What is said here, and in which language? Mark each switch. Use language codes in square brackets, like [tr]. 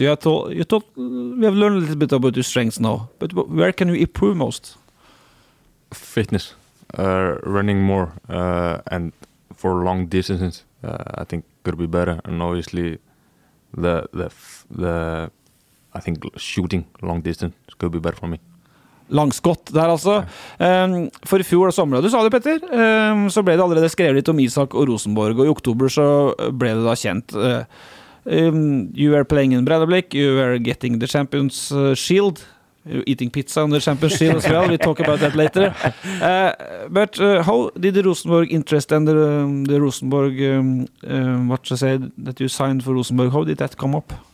[en] You thought we have learned a little bit about your strengths now, but where can you improve most? Fitness. Running more and for long distances, I think could be better. And obviously, the I think shooting long distance could be better for me. [no] Langskott der altså. For I fjor og sommer, du sa det, Petter, så ble det allerede skrevet litt om Isak og Rosenborg, og I oktober så ble det da kjent. [en] You were playing in Breidablik, you were getting the Champions Shield, eating pizza under Champions Shield as well, we'll talk about that later. But how did the Rosenborg interest and the Rosenborg, what you said, that you signed for Rosenborg, how did that come up?